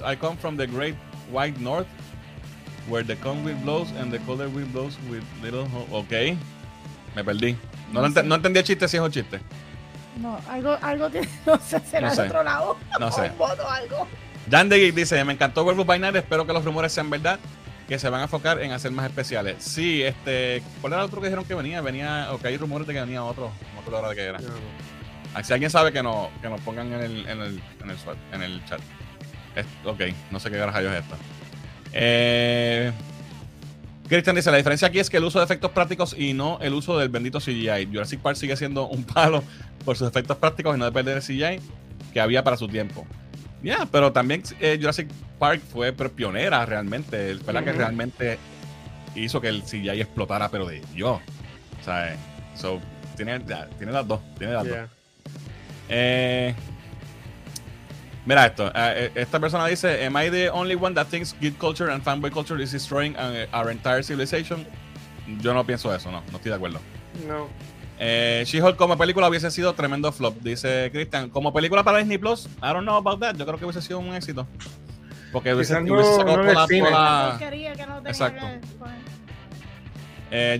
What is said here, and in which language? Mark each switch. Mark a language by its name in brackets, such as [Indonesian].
[English] I come from the great white north, where the cold wind blows and the colder wind blows with little hope. [Spanish] Ok. Me perdí. No entendí el chiste, si es un chiste. No, algo tiene, no sé, será de otro lado. No sé. O un voto, algo. Dan de Geek dice, me encantó Werewolf by Night, espero que los rumores sean verdad, que se van a enfocar en hacer más especiales. Sí, ¿cuál era el otro que dijeron que venía? Venía, o que hay rumores de que venía otro, no recuerdo ahora de qué era. Si alguien sabe, que nos pongan en el chat. Ok, no sé qué garajayo es esto. Christian dice, la diferencia aquí es que el uso de efectos prácticos y no el uso del bendito CGI. Jurassic Park sigue siendo un palo por sus efectos prácticos y no depende del CGI que había para su tiempo. Pero también Jurassic Park fue pionera realmente. Fue la que realmente hizo que el CGI explotara, pero de Dios. O sea, tiene las dos. Tiene las dos. Mira esto, esta persona dice, [English] am I the only one that thinks geek culture and fanboy culture is destroying our entire civilization? [Spanish] Yo no pienso eso, no estoy de acuerdo. No. She-Hulk como película hubiese sido tremendo flop, dice Christian. Como película para Disney Plus, [English] I don't know about that. [Spanish] Yo creo que hubiese sido un éxito. Porque hubiese sacado por la... No quería que no tenga que...